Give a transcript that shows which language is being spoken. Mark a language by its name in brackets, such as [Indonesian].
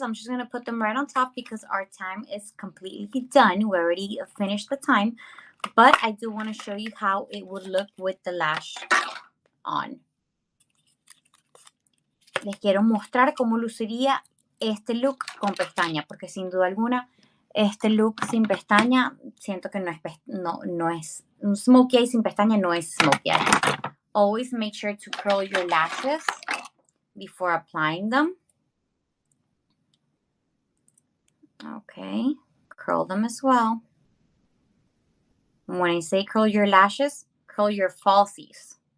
[English] I'm just going to put them right on top because our time is completely done. We already finished the time. But I do want to show you how it would look with the lash on. [Spanish] Les quiero mostrar cómo luciría este look con pestaña, porque sin duda alguna, este look sin pestaña, siento que no es un smokey eye sin pestaña, no es smokey eye. [English] Always make sure to curl your lashes before applying them. Okay, curl them as well. When I say curl your lashes, curl your falsies.